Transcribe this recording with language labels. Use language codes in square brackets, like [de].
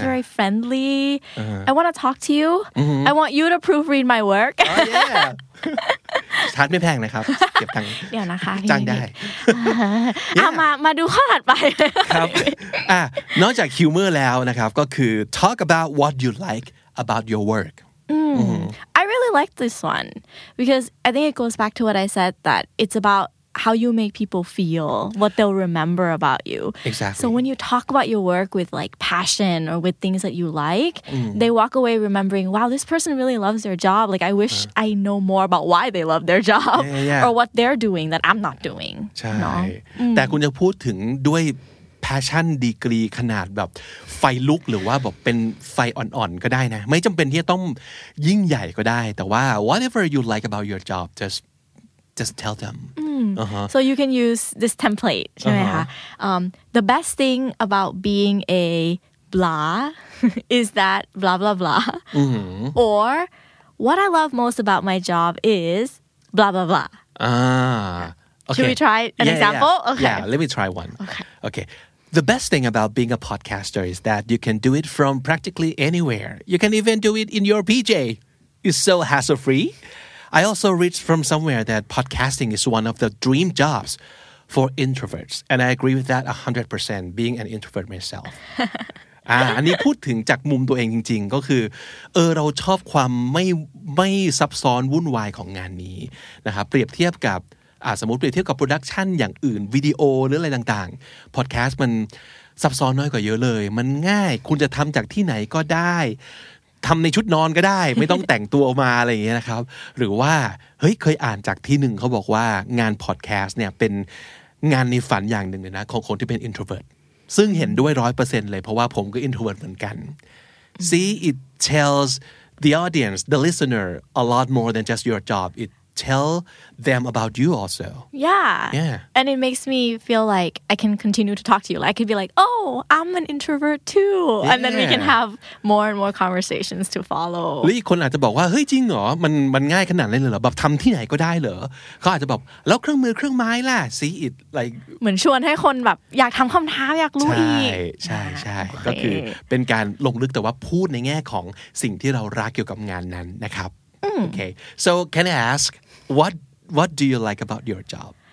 [en] very friendly I want to talk to you I want you to proofread my work oh, yeah. [th] ชาร์จไม่แพงนะครับเก็บตังค์ เดี๋ยวนะคะ จ้างได้มาดูข้อถัดไป ครับนอกจากฮิวเมอร์แล้วนะครับก็คือ [en] talk about what you like about your work I really like this one because I think it goes back to what I said that it's about how you make people feel what they'll remember about you exactly so when you talk about your work with like passion or with things that you like they walk away remembering wow this person really loves their job like I wish I know more about why they love their job yeah. or what they're doing that I'm not doing [th] ใช่ no? แต่คุณจะพูดถึงด้วย passion degree ขนาดแบบไฟลุกหรือว่าแบบเป็นไฟอ่อนๆก็ได้นะไม่จำเป็นที่ต้องยิ่งใหญ่ก็ได้แต่ว่า [en] whatever you like about your job just tell them So you can use this template, right? The best thing about being a blah is that blah blah blah. Mm-hmm. Or what I love most about my job is blah blah blah. Okay. Should we try an example? Yeah. Okay. Yeah, let me try one. Okay. The best thing about being a podcaster is that you can do it from practically anywhere. You can even do it in your PJ. It's so hassle-free. I also read from somewhere that podcasting is one of the dream jobs for introverts. And I agree with that 100% being an introvert myself. [th] อันนี้พูดถึงจากมุมตัวเองจริงๆก็คือเราชอบความไม่ซับซ้อนวุ่นวายของงานนี้นะครับเปรียบเทียบกับสมมุติเปรียบเทียบกับโปรดักชันอย่างอื่นวิดีโอหรืออะไรต่างๆพอดแคสต์มันซับซ้อนน้อยกว่าเยอะเลยมันง่ายคุณจะทำจากที่ไหนก็ได้ ทำในชุดนอนก็ได้ไม่ต้องแต่งตัวมาอะไรอย่างเงี้ยนะครับหรือว่าเฮ้ยเคยอ่านจากที่หนึ่งเขาบอกว่างานพอดแคสต์เนี่ยเป็นงานในฝันอย่างหนึ่งเลยนะของคนที่เป็นอินโทรเวิร์ตซึ่งเห็นด้วย 100% เลยเพราะว่าผมก็อินโทรเวิร์ตเหมือนกัน [en] See it tells the audience the listener a lot more than just your job it tell them about you also yeah and it makes me feel like I can continue to talk to you like I could be like oh I'm an introvert too yeah. and then we can have more and more conversations to follow [th] หรือคนอาจจะบอกว่าเฮ้ยจริงเหรอมันง่ายขนาดนั้นเลยเหรอแบบทำที่ไหนก็ได้เหรอเขาอาจจะบอกแล้วเครื่องมือเครื่องไม้ล่ะ [en] see it like [th] เหมือนชวนให้คนแบบอยากทำคำถามอยากรู้อีก ใช่ใช่ใช่ก็คือเป็นการลงลึกแต่ว่าพูดในแง่ของสิ่งที่เรารักเกี่ยวกับงานนั้นนะครับ [en] okay so can I ask what do you like about your job